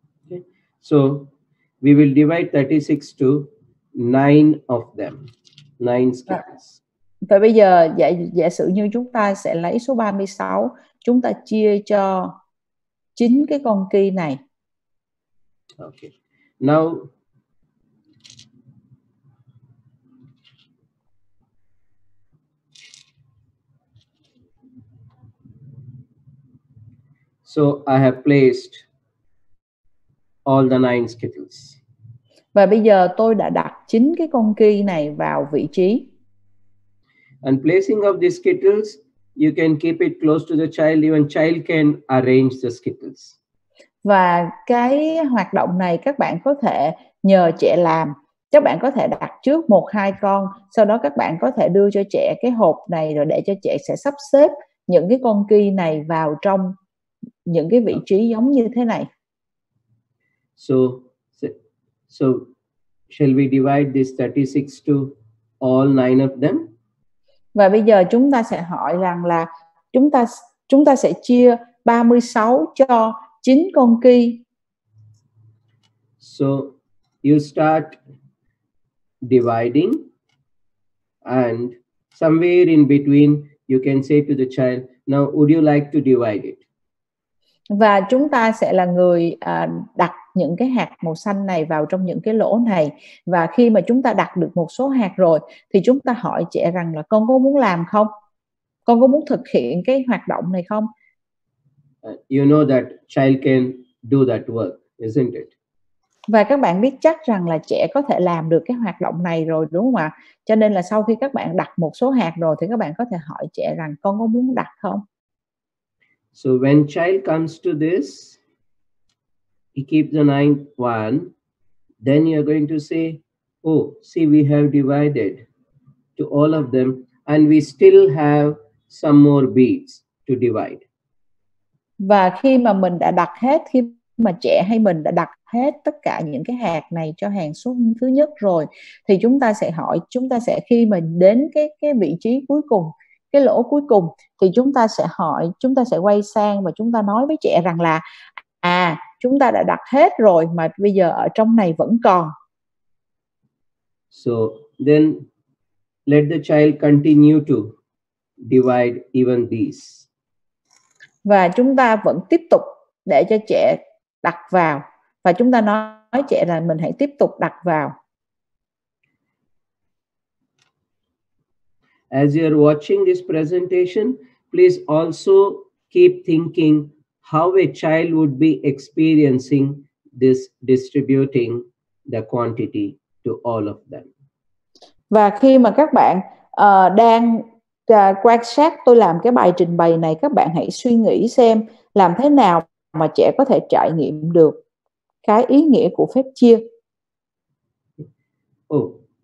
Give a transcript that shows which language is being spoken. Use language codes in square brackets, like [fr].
[en] Okay. So we will divide 36 to 9 of them. 9 Skittles. [vi] Và bây giờ giả sử như chúng ta sẽ lấy số 36, chúng ta chia cho 9 cái con ki này. [en] Okay. Now so I have placed all the 9 Skittles. [vi] Và bây giờ tôi đã đặt 9 cái con ki này vào vị trí. [en] And placing of the Skittles, you can keep it close to the child, even child can arrange the Skittles. [vi] Và cái hoạt động này các bạn có thể nhờ trẻ làm. Các bạn có thể đặt trước 1-2 con, sau đó các bạn có thể đưa cho trẻ cái hộp này rồi để cho trẻ sẽ sắp xếp những cái con ki này vào trong những cái vị trí giống như thế này. [en] So shall we divide this 36 to all 9 of them? [vi] Và bây giờ chúng ta sẽ hỏi rằng là chúng ta sẽ chia 36 cho 9 con ki. [en] So you start dividing and somewhere in between you can say to the child, now would you like to divide it? [vi] Và chúng ta sẽ là người đặt những cái hạt màu xanh này vào trong những cái lỗ này. Và khi mà chúng ta đặt được một số hạt rồi thì chúng ta hỏi trẻ rằng là con có muốn làm không? Con có muốn thực hiện cái hoạt động này không? [en] You know that child can do that work, isn't it? [vi] Và các bạn biết chắc rằng là trẻ có thể làm được cái hoạt động này rồi, đúng không ạ? Cho nên là sau khi các bạn đặt một số hạt rồi thì các bạn có thể hỏi trẻ rằng con có muốn đặt không? [en] So when child comes to this, he keep the 9th one, then you are going to say, oh, see, we have divided to all of them and we still have some more beads to divide. [vi] Và khi mà mình đã đặt hết, khi mà trẻ hay mình đã đặt hết tất cả những cái hạt này cho hàng số thứ nhất rồi, thì chúng ta sẽ hỏi, chúng ta sẽ khi mà đến cái vị trí cuối cùng, cái lỗ cuối cùng, thì chúng ta sẽ hỏi, chúng ta sẽ quay sang và chúng ta nói với trẻ rằng là à, chúng ta đã đặt hết rồi mà bây giờ ở trong này vẫn còn. [en] So then let the child continue to divide even these. [vi] Và chúng ta vẫn tiếp tục để cho trẻ đặt vào. Và chúng ta nói trẻ là mình hãy tiếp tục đặt vào. [en] As you are watching this presentation, please also keep thinking how a child would be experiencing this distributing the quantity to all of them. [vi] Và khi mà các bạn đang quan sát tôi làm cái bài trình bày này, các bạn hãy suy nghĩ xem làm thế nào mà trẻ có thể trải nghiệm được cái ý nghĩa của phép chia. Oh.